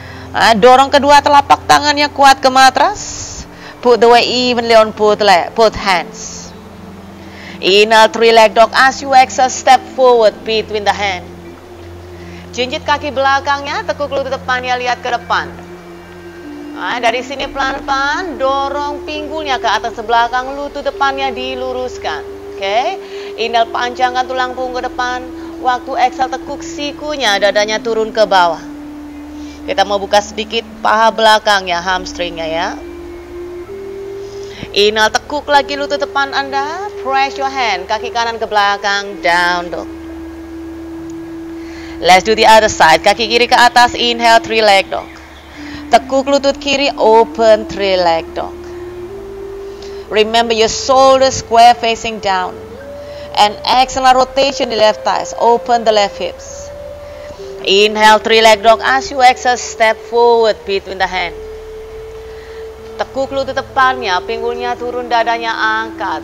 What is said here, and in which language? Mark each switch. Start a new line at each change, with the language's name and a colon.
Indonesian: Nah, dorong kedua telapak tangannya kuat ke matras.
English: Put the weight evenly on both hands. Inhale three leg dog, as you exhale step forward between the hand.
Indonesian: Jinjit kaki belakangnya, tekuk lutut depannya, lihat ke depan. Nah, dari sini pelan-pelan dorong pinggulnya ke atas sebelakang, lutut depannya diluruskan. Oke. Okay? Inhale panjangkan tulang punggung ke depan. Waktu exhale tekuk sikunya, dadanya turun ke bawah. Kita mau buka sedikit paha belakangnya, hamstringnya ya. Inhale tekuk lagi lutut depan Anda, press your hand, kaki kanan ke belakang, down dog.
English: Let's do the other side. Kaki kiri ke atas, inhale three leg dog. Tekuk lutut kiri, open three leg dog. Remember your shoulder square facing down. And exhale, rotation the left thighs, open the left hips. Inhale three leg dog, as you exhale step forward between the hand.
Indonesian: Tekuk lutut depannya, pinggulnya turun, dadanya angkat.